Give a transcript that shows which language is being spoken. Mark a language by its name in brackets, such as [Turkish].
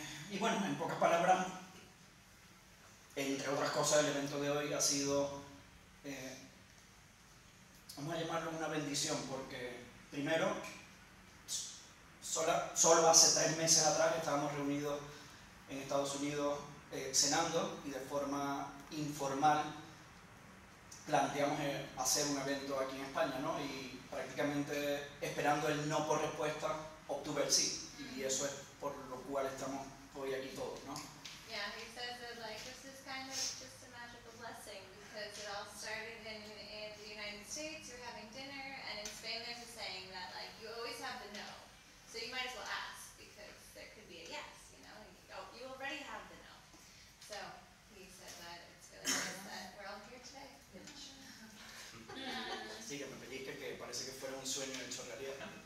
[Spanish] Y bueno, en pocas palabras, entre otras cosas, el evento de hoy ha sido, vamos a llamarlo una bendición, porque primero, solo hace 3 meses atrás estábamos reunidos en Estados Unidos cenando y de forma informal planteamos hacer un evento aquí en España, ¿no? Y prácticamente esperando el no por respuesta, obtuve el sí, y eso es por lo cual estamos hoy aquí todos, ¿no? [English] Yeah, he says that like this is kind of just a magical blessing because it all started in the United States. You're having dinner, and in Spain there's a saying that like you always have the no, so you might as well ask because there could be a yes, you know. You already have the no, so he said that it's really good that we're all here today. Yeah. [Spanish] Sí, que me pellizca, que parece que fuera un sueño hecho realidad.